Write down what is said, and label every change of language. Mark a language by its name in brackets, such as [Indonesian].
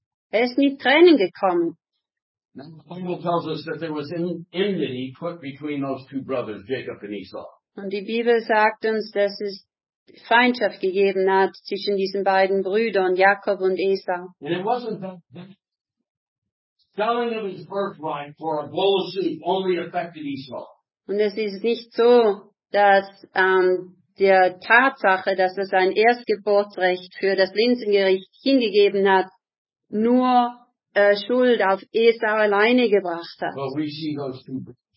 [German] Er ist mit Tränen gekommen. Und die Bibel sagt uns, dass es Feindschaft gegeben hat zwischen diesen beiden Brüdern, Jakob und Esau. [English] And it wasn't selling of his birthright for a bowl of soup only affected Esau. [German] Und es ist nicht so, dass der Tatsache, dass er sein Erstgeburtsrecht für das Linsengericht hingegeben hat, nur Schuld auf Esau alleine gebracht hat. [English] But we see those two.